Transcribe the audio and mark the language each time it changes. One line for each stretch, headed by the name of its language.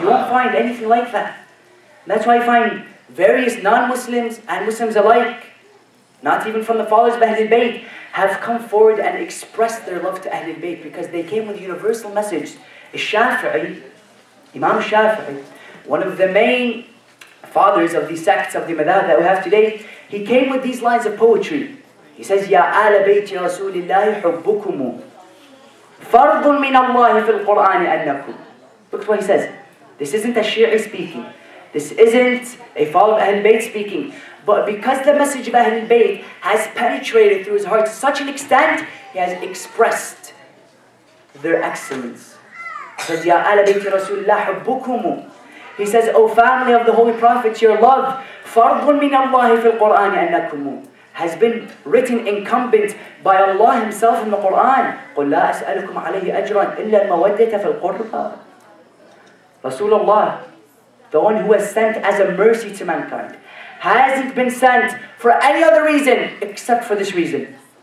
English: You won't find anything like that. That's why you find various non-Muslims and Muslims alike, not even from the followers of Ahlul Bayt, have come forward and expressed their love to Ahlul Bayt because they came with a universal message. Shafi'i, Imam Shafi'i, one of the main fathers of the sects of the madhab that we have today, he came with these lines of poetry. He says,
Arabic: يَا أَهْلَ بَيْتِ رَسُولِ اللَّهِ حُبُّكُمُ فَرْضٌ مِنَ اللَّهِ فِي الْقُرْآنِ أَنَّكُمْ.
English: Look at what he says. This isn't a Shi'i speaking. This isn't a follower of Ahlul Bayt speaking. But because the message of Ahlul Bayt has penetrated through his heart to such an extent, he has expressed their excellence. He says,
Arabic: يَا أَهْلَ بَيْتِ رَسُولِ اللَّهِ حُبُّكُمُ.
English: He says, O family of the Holy Prophet, your love,
Arabic: فَرْضٌ مِنَ اللَّهِ فِي الْقُرْآنِ أَنَّكُمُ,
English: has been written incumbent by Allah Himself in the Qur'an.
Arabic: قُلْ لَا أَسْأَلُكُمْ عَلَيْهِ أَجْرًا إِلَّا الْمَوَدَّةَ فِي الْقُرْبَى.
English: Rasulullah, the one who was sent as a mercy to mankind, hasn't been sent for any other reason except for this reason.